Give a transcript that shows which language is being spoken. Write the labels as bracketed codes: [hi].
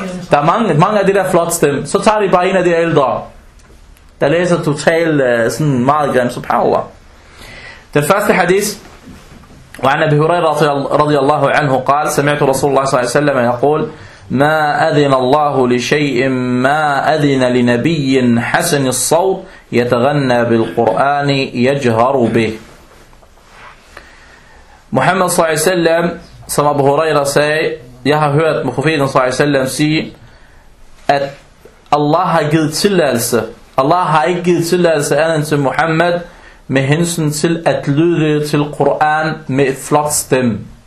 [da] Der er mange af de der flot stemme. Så tager de bare en af de ældre. Der læser totalt sådan meget grim, subhanallah. Den første hadith, og han er [ar] Abi Huraira radiyallahu anhu, قال, سمعت رسول الله صلى الله عليه وسلم يقول, ما أذن الله لشيء ما أذن لنبي حسن الصوت يتغنى بالقرآن يجهر به. [da] Muhammad صلى الله عليه وسلم, som Abi Huraira say, jeg har hørt Mufidin صلى الله عليه وسلم say, at Allah har givet tilladelse. Allah har ikke givet tilladelse andet til Muhammad med hensyn til at lyde til Quran med et flot stemme.